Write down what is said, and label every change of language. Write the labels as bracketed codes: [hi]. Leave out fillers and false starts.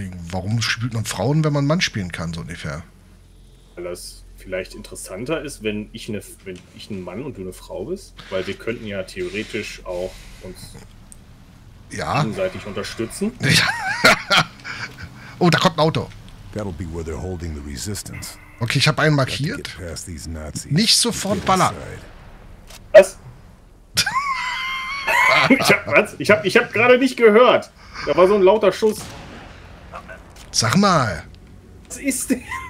[de] warum spielt man Frauen, wenn man Mann spielen kann, so ungefähr? Weil das vielleicht interessanter ist, wenn ich ein Mann und du eine Frau bist. Weil wir könnten ja theoretisch auch uns... Ja. Gegenseitig unterstützen. Oh, da kommt ein Auto. [en] That'll be where they're holding the resistance. [de] Okay, ich habe einen markiert. Nicht sofort ballern. Was? Ich hab gerade nicht gehört. Da war so ein lauter Schuss. Sag mal. Was ist denn?